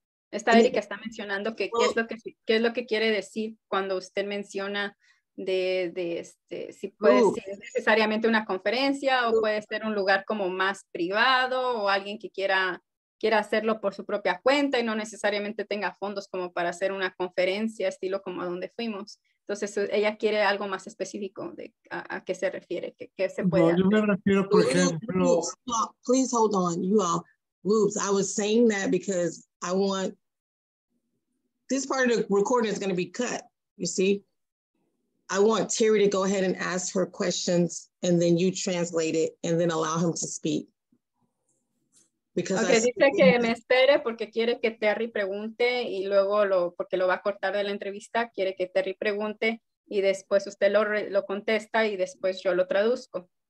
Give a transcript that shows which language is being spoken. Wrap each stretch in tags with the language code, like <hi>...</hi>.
<es>Está Erika, está mencionando que qué es lo que quiere decir cuando usted menciona de si puede ser necesariamente una conferencia o puede ser un lugar como más privado o alguien que quiera hacerlo por su propia cuenta y no necesariamente tenga fondos como para hacer una conferencia estilo como a donde fuimos. Entonces ella quiere algo más específico de a qué se refiere, qué se puede hacer. Yo me refiero, por ejemplo,</es> <en>please hold on, you all. Loops, I was saying that because I want this part of the recording is going to be cut. You see, I want Terry to go ahead and ask her questions and then you translate it and then allow him to speak.</en> <es>Because okay, dice que me espere porque quiere que Terry pregunte y luego porque lo va a cortar de la entrevista, quiere que Terry pregunte y después usted lo contesta y después yo lo traduzco.</es>